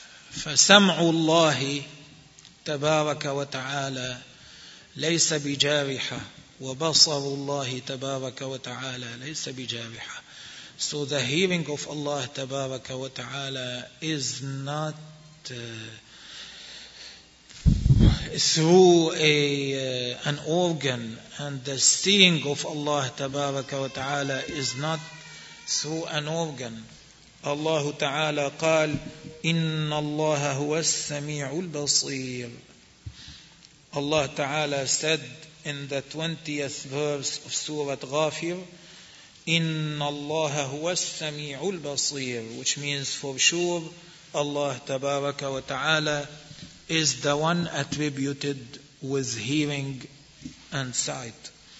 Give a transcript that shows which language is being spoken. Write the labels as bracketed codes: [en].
[ar] فسمع الله تبارك وتعالى ليس بجارحة, وبصر الله تبارك وتعالى ليس بجارحة. [en] So the hearing of Allah [ar] تبارك وتعالى [en] is not through an organ, and the seeing of Allah تبارك وتعالى is not through an organ. [ar] الله تعالى قال إن الله هو السميع البصير. [en] Allah Ta'ala said in the 20th verse of Surah Ghafir, [ar] إِنَّ اللَّهَ هُوَ السَّمِيعُ الْبَصِيرُ, [en] which means for sure Allah Tabaraka wa Ta'ala is the one attributed with hearing and sight.